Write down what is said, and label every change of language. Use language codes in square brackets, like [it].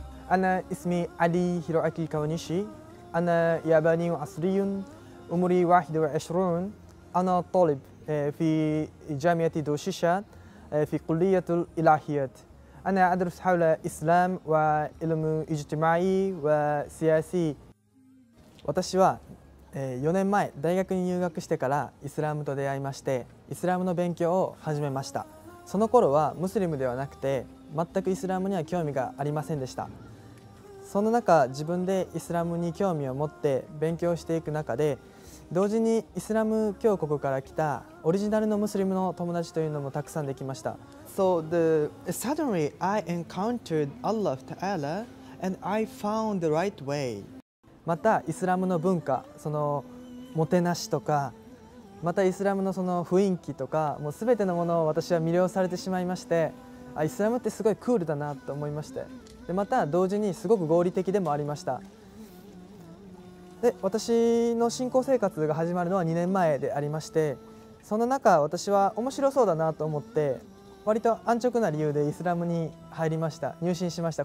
[ar] أنا اسمي علي هيروأكي كاوانيشي، أنا ياباني أصري، عمري 21، أنا طالب في جامعة دوشيشا في كلية الإلهيات. أنا أدرس حول الإسلام وعلم اجتماعي وسياسي. [ja] 私は4年前大学に入学してからイスラムと出会いまして、イスラムの勉強を始めました。その頃はムスリムではなくて、全くイスラムには興味がありませんでした。その中、自分でイスラムに興味を持って勉強していく中で、同時にイスラム教国から来たオリジナルのムスリムの友達というのもたくさんできました。 [en] So the, suddenly I encountered Allah Ta'ala and I found the right way. [ja] またイスラムの文化、そのもてなしとか、またイスラムのその雰囲気とか、もうすべてのものを私は魅了されてしまいまして、あ、イスラムってすごいクールだなと思いまして。でまた同時にすごく合理的でもありました。で私の信仰生活が始まるのは2年前でありまして、その中私は面白そうだなと思って、割と安直な理由でイスラムに入りました。入信しました。